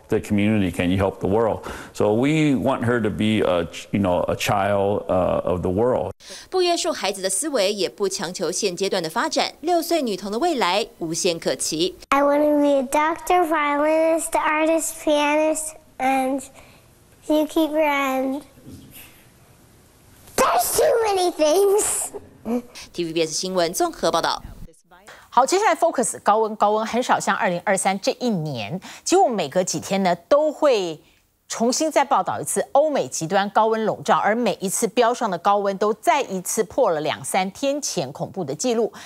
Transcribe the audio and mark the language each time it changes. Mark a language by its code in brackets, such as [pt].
[en] The community, can you help the world? So we want her to be a child of the world. [zh] 不约束孩子的思维，也不强求现阶段的发展。六岁女童的未来无限可期。 [en] I want to be a doctor, violinist, artist, pianist, and zookeeper, and there's too many things. [zh] TVBS 新闻综合报道。好，接下来 focus 高温，高温很少像2023这一年，几乎每隔几天呢都会重新再报道一次欧美极端高温笼罩，而每一次标上的高温都再一次破了两三天前恐怖的记录。